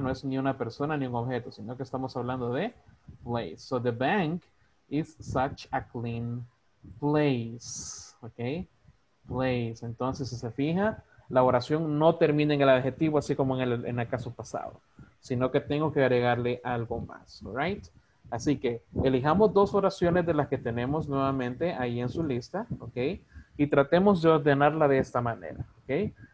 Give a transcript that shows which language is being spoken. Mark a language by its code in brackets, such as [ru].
[es] No es ni una persona ni un objeto, sino que estamos hablando de place. [en] So the bank is such a clean place. ¿Ok? Place. [es] Entonces, si se fija, la oración no termina en el adjetivo, así como en el caso pasado, sino que tengo que agregarle algo más. [en] ¿All right? [es] Así que elijamos dos oraciones de las que tenemos nuevamente ahí en su lista. ¿Ok? Y tratemos de ordenarla de esta manera. ¿Ok?